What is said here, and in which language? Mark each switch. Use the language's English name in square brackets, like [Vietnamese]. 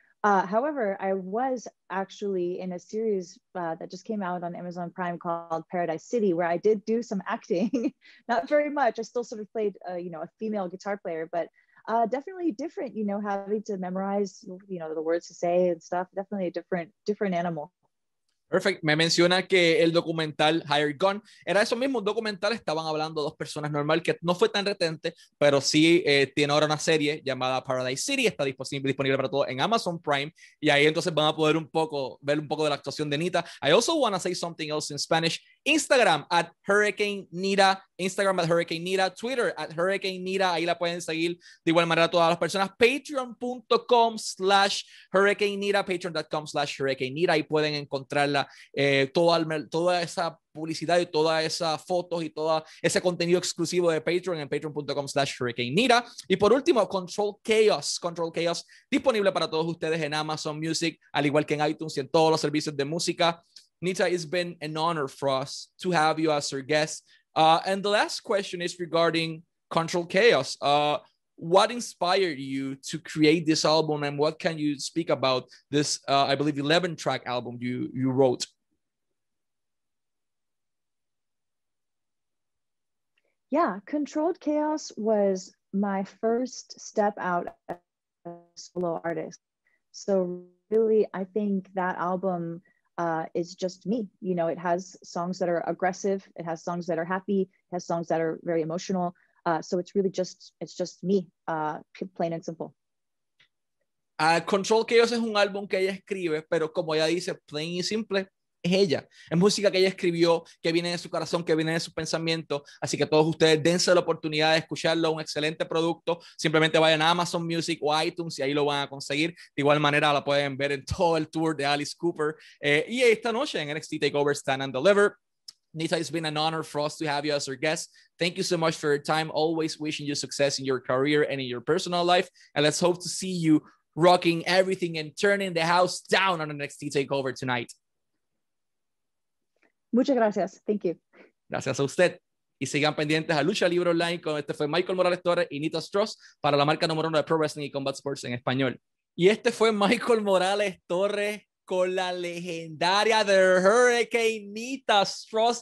[English] However, I was actually in a series that just came out on Amazon Prime called Paradise City, where I did do some acting, not very much. I still sort of played, you know, a female guitar player, but definitely different, you know, having to memorize, you know, the words to say and stuff. Definitely a different animal. Perfect. [Spanish] Me menciona que el documental Hired Gun era eso mismo, un documental, estaban hablando dos personas normal, que no fue tan retente, pero sí tiene ahora una serie llamada Paradise City, está disponible para todos en Amazon Prime, y ahí entonces van a poder un poco, ver un poco de la actuación de Nita. [English] I also want to say something else in Spanish. Instagram at Hurricane Nita, Instagram at Hurricane Nita, Twitter at Hurricane Nita, ahí la pueden seguir de igual manera a todas las personas. [Spanish] Patreon.com/Hurricane Nita, Patreon.com/Hurricane Nita, ahí pueden encontrar toda esa publicidad y todas esas fotos y todo ese contenido exclusivo de Patreon en patreon.com/Hurricane Nita. Y por último, Control Chaos, disponible para todos ustedes en Amazon Music, al igual que en iTunes y en todos los servicios de música. [English] Nita, it's been an honor for us to have you as our guest. And the last question is regarding Control Chaos. What inspired you to create this album, and what can you speak about this, I believe, 11-track album you wrote? Yeah, Controlled Chaos was my first step out as a solo artist. So really, I think that album is just me. You know, it has songs that are aggressive. It has songs that are happy. It has songs that are very emotional. So it's really just, it's just me, plain and simple. [Spanish] Control Chaos es un álbum que ella escribe, pero como ella dice, plain y simple, es ella. Es música que ella escribió, que viene de su corazón, que viene de su pensamiento. Así que todos ustedes dense la oportunidad de escucharlo, un excelente producto. Simplemente vayan a Amazon Music o iTunes y ahí lo van a conseguir. De igual manera la pueden ver en todo el tour de Alice Cooper. Y esta noche en NXT TakeOver Stand and Deliver. [English] Nita, it's been an honor for us to have you as our guest. Thank you so much for your time. Always wishing you success in your career and in your personal life. And let's hope to see you rocking everything and turning the house down on the NXT TakeOver tonight. [Spanish] Muchas gracias. Thank you. Gracias a usted. Y sigan pendientes a Lucha Libre Online con este fue Michael Morales Torres y Nita Strauss para la marca número uno de Pro Wrestling y Combat Sports en español. Y este fue Michael Morales Torres con la legendaria The Hurricane Nita Strauss.